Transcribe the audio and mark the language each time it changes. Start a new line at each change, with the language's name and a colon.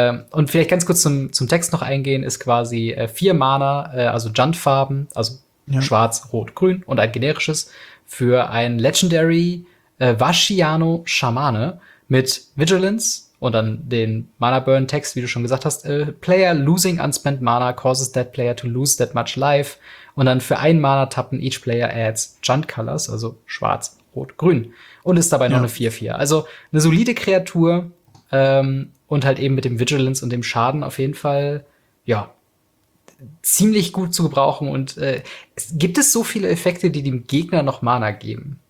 German: Und vielleicht ganz kurz zum Text noch eingehen, ist quasi 4 Mana, also Junt-Farben, also ja. Schwarz, Rot, Grün und ein generisches für ein Legendary Vashiano Schamane mit Vigilance und dann den Mana-Burn-Text, wie du schon gesagt hast.
English: Player losing unspent Mana causes that player to lose that much life.
German: Und dann für ein Mana tappen,
English: each player adds Junt Colors,
German: also Schwarz, Rot, Grün. Und ist dabei noch eine 4-4. Also eine solide Kreatur und halt eben mit dem Vigilance und dem Schaden auf jeden Fall, ja, ziemlich gut zu gebrauchen. Und gibt es so viele Effekte, die dem Gegner noch Mana geben?